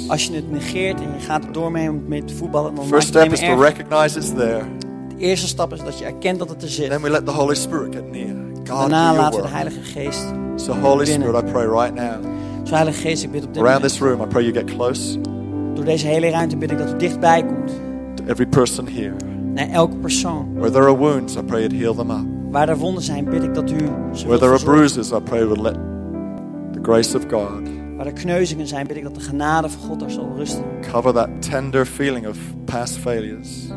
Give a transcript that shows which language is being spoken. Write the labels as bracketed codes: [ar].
[nl] Als je het negeert en je gaat er door mee om mee te voetballen, dan [en] first step is [nl] erger. [en] To recognize it's there. [nl] De eerste stap is dat je erkent dat het er zit. [en] Then we let the Holy Spirit get near. God, [nl] daarna laten we de Heilige Geest. [en] So Holy Spirit, I pray right now. [nl] Zo Heilige Geest, ik bid op dit [en] around [nl] moment. [en] This room, I pray you get close. [nl] Door deze hele ruimte bid ik dat u dichtbij komt. [en] To every person here. [nl] Naar elke persoon. [en] Where there are wounds, I pray you'd heal them up. [nl] Waar er wonden zijn, bid ik dat u ze [en] where there are bruises, I pray would let the grace of God. [nl] Waar er kneuzingen zijn, bid ik dat de genade van God daar zal rusten. [en] Cover that tender feeling of past failures.